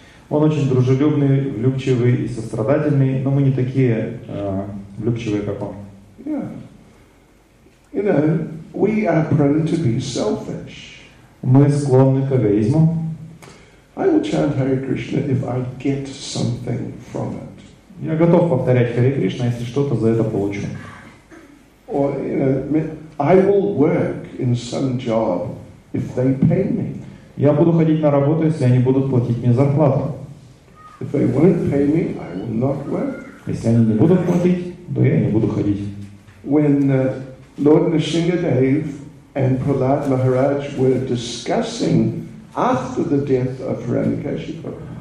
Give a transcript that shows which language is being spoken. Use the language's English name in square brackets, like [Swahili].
[Russian] Он очень дружелюбный, влюбчивый и сострадательный, но мы не такие влюбчивые, как он. [English] Yeah. You know, we are prone to be selfish. [Russian] Мы склонны к эгоизму. [English] I will chant Hare Krishna if I get something from it. [Russian] Я готов повторять Харе Кришна, если что-то за это получу. [English] Or, you know, I will work in some job if they pay me. [Russian] Я буду ходить на работу, если они будут платить мне зарплату. [English] If they won't pay me, I will not work. [Russian] Если они не будут платить, то я не буду ходить. [English] When Lord Nrisimhadev and Prahlad Maharaj were discussing after the death of Hiranyakashipu.